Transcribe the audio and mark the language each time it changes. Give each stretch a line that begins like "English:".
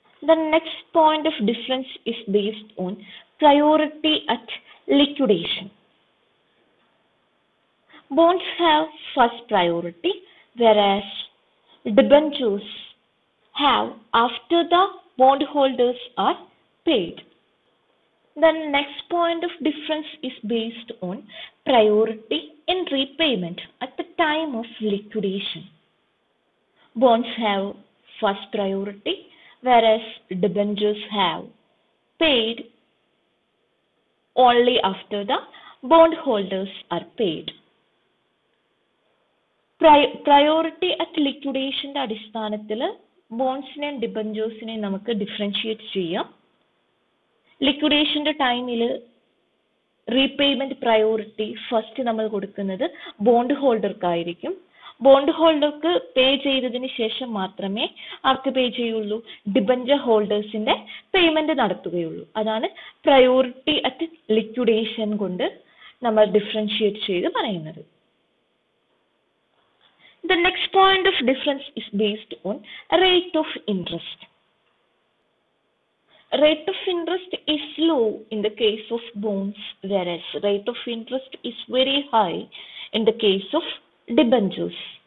English: The next point of difference is based on priority at liquidation. Bonds have first priority, whereas debentures have after the bond holders are paid. The next point of difference is based on priority in repayment at the time of liquidation. Bonds have first priority, whereas debentures have paid only after the bondholders are paid. Priority at liquidation in the
Malayalam: adisthanathile
English: bonds and debentures
Malayalam: ne namak
English: differentiate
Malayalam: cheyyam. ലിക്വിഡേഷന്റെ ടൈമിൽ repayment priority first നമ്മൾ കൊടുക്കുന്നത് bond ഹോൾഡർക്കായിരിക്കും. Bond ഹോൾഡർക്ക് പേ ചെയ്തതിന് ശേഷം മാത്രമേ അവർക്ക് പേ ചെയ്യുള്ളൂ, debenture ഹോൾഡേഴ്സിന്റെ payment നടത്തുകയുള്ളൂ. അതാണ് priority at liquidation കൊണ്ട് നമ്മൾ ഡിഫറൻഷിയേറ്റ് ചെയ്ത് പറയുന്നത്. The next point of difference is based on rate of interest. Rate of interest is low in the case of bonds, whereas rate of interest is very high in the case of debentures.